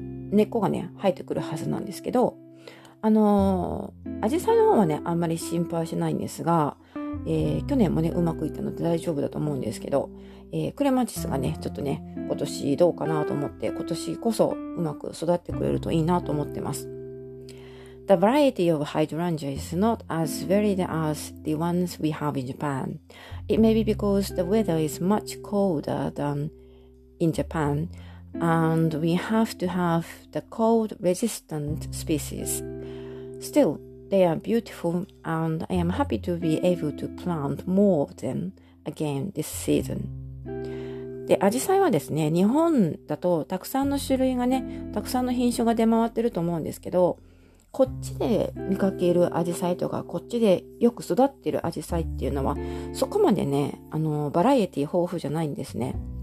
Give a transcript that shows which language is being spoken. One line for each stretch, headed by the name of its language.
Japanese: 根っこがね生えてくるはずなんですけど、アジサイの方はねあんまり心配しないんですが、去年もねうまくいったので大丈夫だと思うんですけど、クレマチスがねちょっとね今年どうかなと思って、今年こそうまく育ってくれるといいなと思ってます。
English: The variety of hydrangea is not as varied as the ones we have in Japan. It may be because the weather is much colder than in Japan and we have to have the cold resistant species. Still, they are beautiful and I am happy to be able to plant more of them again this season.
Japanese: で、アジサイはですね、日本だとたくさんの種類がね、たくさんの品種が出回ってると思うんですけど、こっちで見かけるアジサイとか、こっちでよく育ってるアジサイっていうのは、そこまでね、バラエティ豊富じゃないんですね。